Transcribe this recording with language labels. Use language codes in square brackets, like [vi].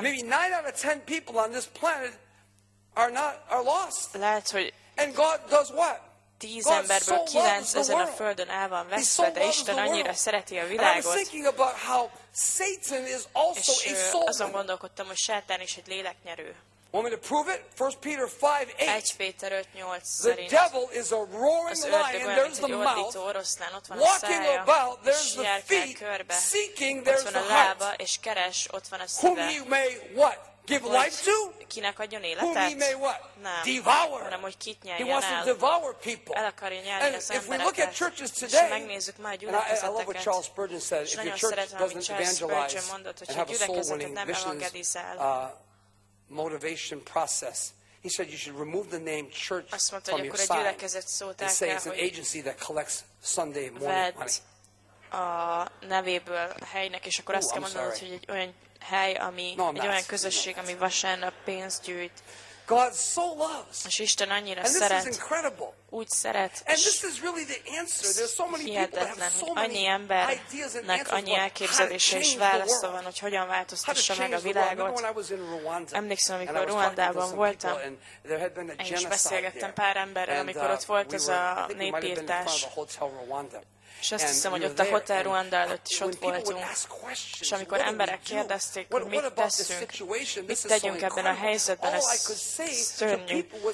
[en] Maybe 9 out of 10 people on this planet are not are lost. [hu] Lehet, hogy [en] and God does what? [hu] 10 emberből 9 ezen a földön el van veszve, de Isten annyira szereti a világot. [en] Satan is also a soul. [hu] És azon gondolkodtam, hogy Sátán is egy léleknyerő. [en] Want me to prove it? 1 Peter 5:8. [hu] 1 Péter 5:8 szerint. [en] The devil is a roaring lion, and there's the mouth. Walking about, there's the feet. Seeking, there's the heart. [hu] És keres, ott van a szíve. [en] Whom he may what? Give life to? [hu] Kinek adjon életet? [en] Whom he may what? [hu] Nem. [en] Devour. [hu] Hanem, hogy kit nyeljen el. [en] He wants to devour people. [hu] El akarja nyelni az embereket. [en] And if we look at churches today, [hu] és megnézzük már a gyülekezeteket, [en] I love what Charles Spurgeon says. If your church doesn't evangelize, and have a soul-winning missions, motivation process. He said you should remove the name church [hu] mondta, [en] from your [hu] akkor [en] side and say it's an agency that collects Sunday morning money. [hu] A nevéből a helynek, és akkor azt kell mondanod, hogy egy olyan hely, ami egy olyan közösség, ami vasárnap pénzt gyűjt. [en] God so loves. [hu] És Isten annyira [en] and [hu] szeret. [en] This is incredible. [hu] Úgy szeret. [en] And this is really the answer. There's so many people that have so many ideas and answers. [hu] Annyi elképzelése és válasza van, hogy hogyan változtassa meg a világot. Emlékszem, amikor Ruandában voltam, és beszélgettem pár emberrel, amikor ott volt ez a népírtás. És azt hiszem, hogy ott a Hotel Rwanda előtt is ott voltunk. És amikor emberek kérdezték, hogy mit teszünk, mit tegyünk ebben a helyzetben, ez szörnyű.